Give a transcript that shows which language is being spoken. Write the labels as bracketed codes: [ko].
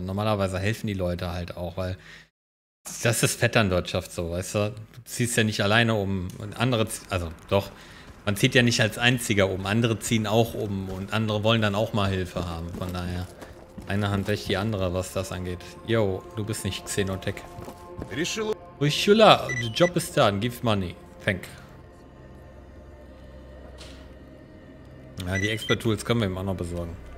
[de] Normalerweise helfen die Leute halt auch, weil das ist Vetternwirtschaft so, weißt du? Du ziehst ja nicht alleine um und andere, also doch, man zieht ja nicht als Einziger um, andere ziehen auch um und andere wollen dann auch mal Hilfe haben. Von daher, eine Hand wäscht die andere, was das angeht. Yo, du bist nicht Xenotech. [en] Rishula, the job is done, give money, thank. [de] Ja, die Expert-Tools können wir ihm auch noch besorgen.